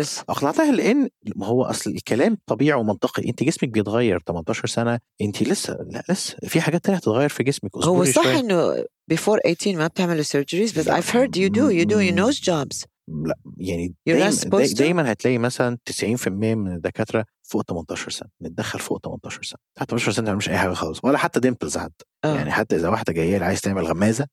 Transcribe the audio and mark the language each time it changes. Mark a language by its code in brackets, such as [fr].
[ar] أقنعتها لأن هو أصل الكلام طبيعي ومنطقي أنت جسمك بيتغير 18 سنة أنت لسه في حاجات تانية تتغير في جسمك هو صح شوية. أنه [en] before 18 [ar] ما بتعمل [en] surgeries but I've heard you do your nose jobs [ar] لا يعني دايما هتلاقي مثلا 90% من الدكاترة فوق 18 سنة، نتدخل فوق 18 سنة. 18 سنة مش أي حاجة خالص، ولا حتى ديمبلز حد. يعني حتى إذا واحدة جاية عايز تعمل غمازة.